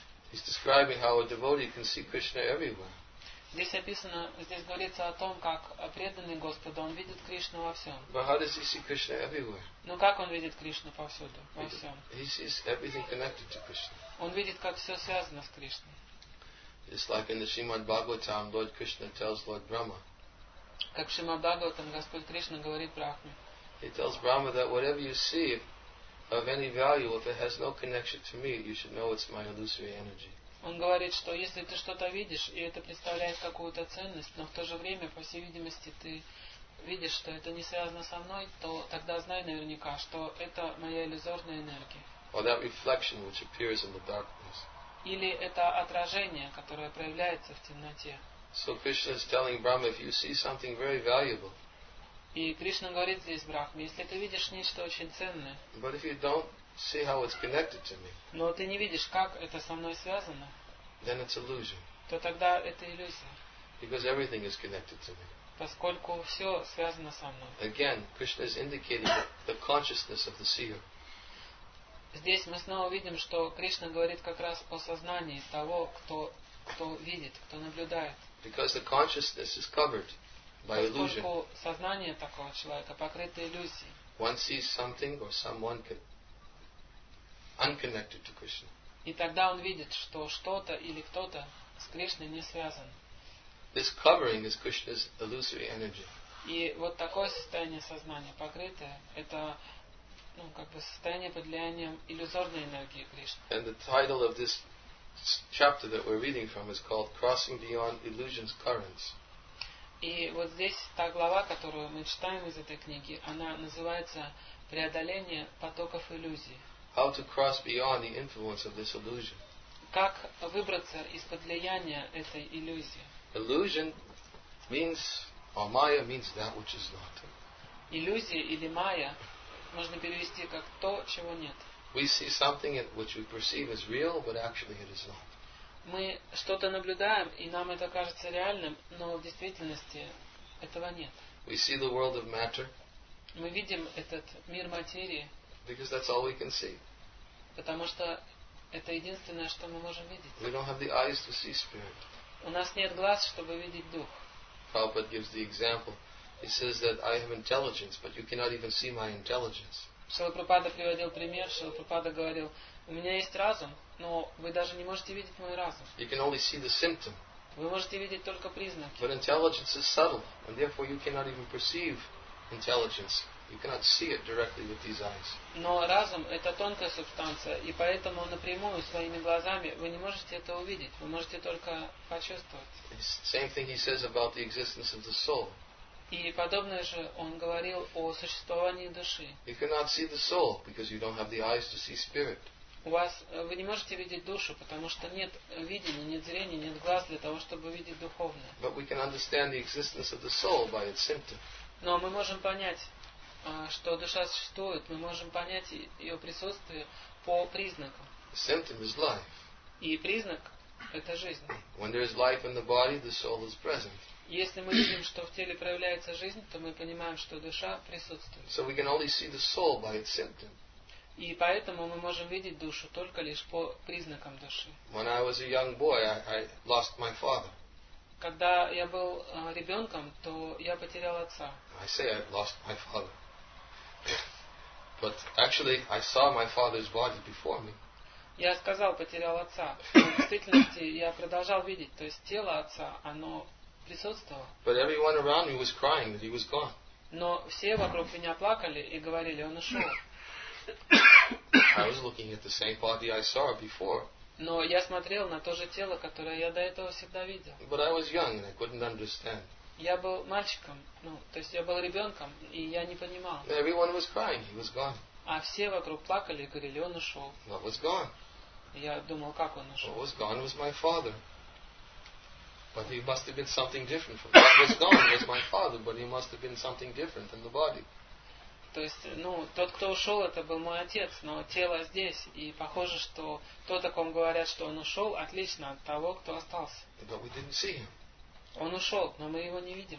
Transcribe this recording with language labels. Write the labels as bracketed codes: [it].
[en] He's describing how a devotee can see Krishna everywhere. [ru] Здесь описано, здесь говорится о том, как преданный Господу, он видит Кришну во всем. [en] But how does he see Krishna everywhere? [ru] Ну как он видит Кришну повсюду, во всем? [en] He sees everything connected to Krishna. [ru] Он видит, как все связано с Кришной. [en] It's like in the Srimad Bhagavatam, Lord Krishna tells Lord Brahma. [ru] Как в Шримад Бхагаватам Господь Кришна говорит Брахме. [en] He tells Brahma that whatever you see of any value, if it has no connection to me, you should know it's my illusory energy. [ru] Он говорит, что если ты что-то видишь, и это представляет какую-то ценность, но в то же время, по всей видимости, ты видишь, что это не связано со мной, то тогда знай наверняка, что это моя иллюзорная энергия. [en] Or that reflection which appears in the darkness. [ru] Или это отражение, которое проявляется в темноте. [en] So Krishna is telling Brahma, if you see something very valuable. [ru] И Кришна говорит здесь Брахме, если ты видишь нечто очень ценное. [en] But if you don't see how it's connected to me. [ru] Но ты не видишь, как это со мной связано. [en] Then it's illusion. [ru] То тогда это иллюзия. [en] Because everything is connected to me. [ru] Поскольку все связано со мной. [en] Again, Krishna is indicating the consciousness of the seer. [ru] Здесь мы снова видим, что Кришна говорит как раз о сознании того, кто видит, кто наблюдает. [en] Because the consciousness is covered by illusion. [ru] Поскольку сознание такого человека покрыто иллюзией. [en] One sees something or someone unconnected to Krishna. [ru] И тогда он видит, что что-то или кто-то с Кришной не связан. [en] This covering is Krishna's illusory energy. [ru] И вот такое состояние сознания покрытое, это ну, как бы состояние под влиянием иллюзорной энергии Кришны. [en] And the title of this chapter that we're reading from is called Crossing Beyond Illusion's Currents. [ru] И вот здесь та глава, которую мы читаем из этой книги, она называется «Преодоление потоков иллюзий». [en] How to cross beyond the influence of this illusion? [ru] Как выбраться из-под влияния этой иллюзии? [en] Illusion means, or Maya means that which is not. [ru] Иллюзия или Maya можно перевести как то, чего нет. [en] We see something which we perceive as real, but actually it is not. [ru] Мы что-то наблюдаем, и нам это кажется реальным, но в действительности этого нет. [en] We see the world of matter. [ru] Мы видим этот мир материи. [en] Because that's all we can see. [ru] Потому что это единственное, что мы можем видеть. [en] We don't have the eyes to see spirit. [ru] У нас нет глаз, чтобы видеть дух. [en] Prabhupada gives the example. He says that I have intelligence, but you cannot even see my intelligence. [ru] Шрила Прабхупада приводил пример. Шрила Прабхупада говорил, у меня есть разум, но вы даже не можете видеть мой разум. [en] You can only see the symptom. [ru] Вы можете видеть только признаки. [en] But intelligence is subtle, and therefore you cannot even perceive intelligence. You cannot see it directly with these eyes. [ru] Но разум – это тонкая субстанция, и поэтому напрямую своими глазами вы не можете это увидеть. Вы можете только почувствовать. [en] Same thing he says about the existence of the soul. [ru] И подобное же он говорил о существовании души. [en] You cannot see the soul because you don't have the eyes to see spirit. [ru] Вы не можете видеть душу, потому что нет видения, нет зрения, нет глаз для того, чтобы видеть духовное. [en] But we can understand the existence of the soul by its symptom. [ru] Но мы можем понять, что душа существует, мы можем понять ее присутствие по признакам. [en] The symptom is life. [ru] И признак – это жизнь. [en] When there is life in the body, the soul is present. [ru] Если мы видим, что в теле проявляется жизнь, то мы понимаем, что душа присутствует. [en] So we can only see the soul by its symptom. [ru] И поэтому мы можем видеть душу только лишь по признакам души. [en] When I was a young boy, I lost my father. [ru] Когда я был ребенком, то я потерял отца. [en] I say I lost my father. But actually, I saw my father's body before me. [ru] Я сказал, потерял отца. Но в действительности я продолжал видеть. То есть тело отца, оно присутствовало. [en] But everyone around me was crying that he was gone. [ru] Но все вокруг меня плакали и говорили, он ушел. [en] I was looking at the same body I saw before. [ru] Но я смотрел на то же тело, которое я до этого всегда видел. [en] But I was young and I couldn't understand. [ru] Я был мальчиком, ну, то есть я был ребенком, и я не понимал. [en] Everyone was crying, he was gone. [ru] А все вокруг плакали и говорили, он ушел. [en] What was gone? [ru] Я думал, как он ушел. [en] What was gone was my father. But he must have been something different from that. What was gone was my father, but he must have been something different than the body. [ru] То есть, ну, тот, кто ушел, это был мой отец, но тело здесь. И похоже, что тот, о ком говорят, что он ушел, отлично от того, кто остался. [en] But we didn't see him. [ru] Он ушел, но мы его не видим.